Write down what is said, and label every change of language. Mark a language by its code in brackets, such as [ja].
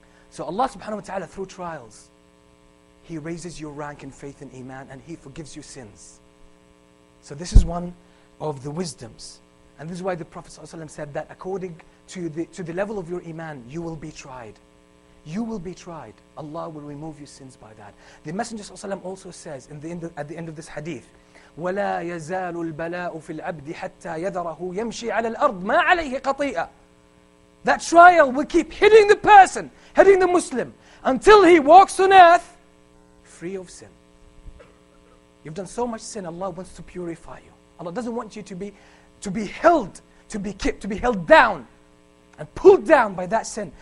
[en] So Allah subhanahu wa ta'ala, through trials, he raises your rank in faith and iman, and he forgives you sins. So this is one of the wisdoms. And this is why the Prophet ﷺ said that according to the level of your iman, you will be tried. You will be tried. Allah will remove your sins by that. The Messenger ﷺ also says at the end of this hadith, [ar] وَلَا يَزَالُ الْبَلَاءُ فِي الْعَبْدِ حَتَّى يَذَرَهُ يَمْشِي عَلَى الْأَرْضِ مَا عَلَيْهِ قَطِيئًا. [en] That trial will keep hitting the person, hitting the Muslim, until he walks on earth free of sin. You've done so much sin, Allah wants to purify you. Allah doesn't want you to be held down and pulled down by that sin.